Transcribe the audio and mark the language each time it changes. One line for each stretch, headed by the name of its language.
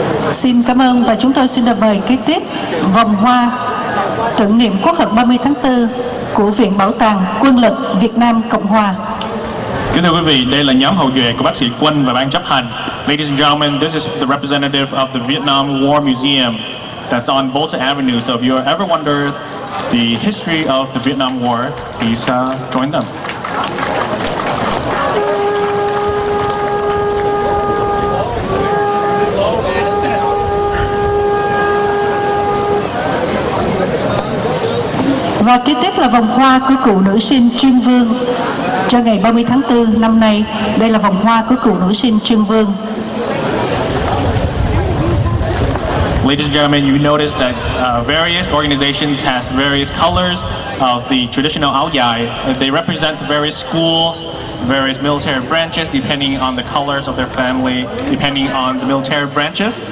Vietnamese: Xin cảm ơn và chúng tôi xin được mời kế tiếp vòng hoa tưởng niệm Quốc hận 30 tháng 4 của Viện Bảo tàng Quân lực Việt Nam Cộng Hòa. Kính thưa quý vị, đây là nhóm hậu duệ của bác sĩ Quân và ban chấp hành.
English: Ladies and gentlemen, this is the representative of the Vietnam War Museum that's on Volta Avenue. So if you ever wonder the history of the Vietnam War, please join them.
Vietnamese: Và kế tiếp là vòng hoa của cựu nữ sinh Trương Vương cho ngày 30 tháng 4 năm nay. Đây là vòng hoa của cựu nữ sinh Trương Vương.
English: Ladies and gentlemen, you notice that various organizations has various colors of the traditional áo dài. They represent various schools, various military branches, depending on the colors of their family, depending on the military branches.